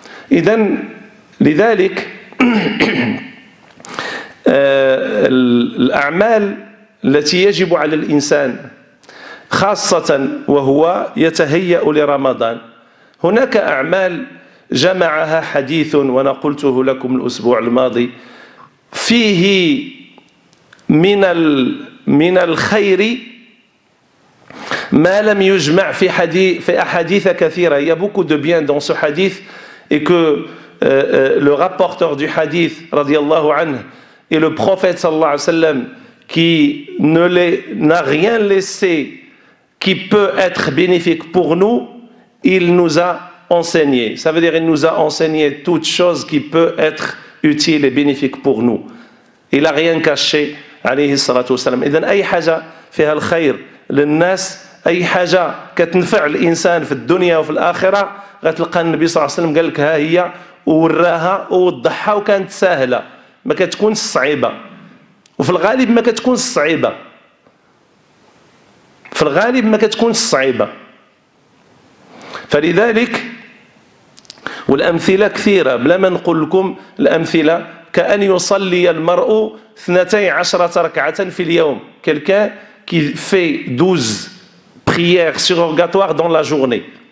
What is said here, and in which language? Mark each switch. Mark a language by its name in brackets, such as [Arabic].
[French] Et donc, [Arabic] لذلك, الأعمال التي يجب على الإنسان خاصة وهو يتهيأ لرمضان, هناك أعمال جمعها حديث وأنا قلته لكم الأسبوع الماضي فيه من من الخير ما لم يجمع في حديث في أحاديث كثيرة. [French] Il y a beaucoup de bien dans ce hadith et que le rapporteur du hadith [Arabic] رضي الله عنه [French] et le prophète [Arabic] صلى الله عليه وسلم [French] qui n'a rien laissé qui peut être bénéfique pour nous, il nous a enseigné. Ça veut dire il nous a enseigné toute chose qui peut être utile et bénéfique pour nous. Il n'a rien caché, [Arabic] عليه الصلاة والسلام. إذن أي حاجة فيها الخير للناس, أي حاجة كتنفع الإنسان في الدنيا وفي الآخرة, غتلقى النبي صلى الله عليه وسلم قال لك ها هي ووراها ووضحها وكانت سهلة, ما كتكون صعبة. وفي الغالب ما كتكون صعبة. في الغالب ما كتكون صعبة. فلذلك والأمثلة كثيرة, بلا ما نقول لكم الأمثلة, كأن يصلي المرء 12 ركعة في اليوم. [French] Quelqu'un qui fait 12 prières surrogatoires dans la journée.